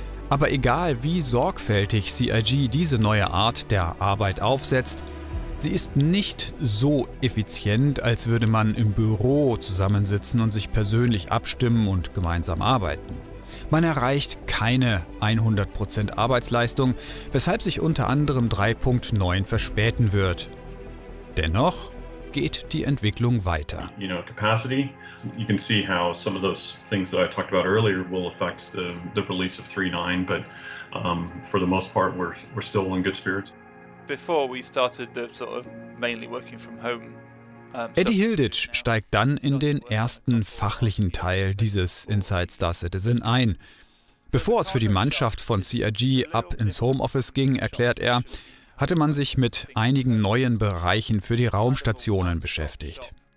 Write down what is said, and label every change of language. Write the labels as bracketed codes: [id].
[de] Aber egal wie sorgfältig CIG diese neue Art der Arbeit aufsetzt, sie ist nicht so effizient, als würde man im Büro zusammensitzen und sich persönlich abstimmen und gemeinsam arbeiten. Man erreicht keine 100% Arbeitsleistung, weshalb sich unter anderem 3.9 verspäten wird. Dennoch geht die Entwicklung weiter. [en] You know, capacity. You can see how some of those things that I talked about earlier will affect the release of 3.9, but for the most part we're still in good spirits. Before we started the sort of mainly working from home. [de] Eddie Hilditch steigt dann in den ersten fachlichen Teil dieses Inside Star Citizen ein. Bevor es für die Mannschaft von CIG ab ins Homeoffice ging, erklärt er, hatte man sich mit einigen neuen Bereichen für die Raumstationen beschäftigt.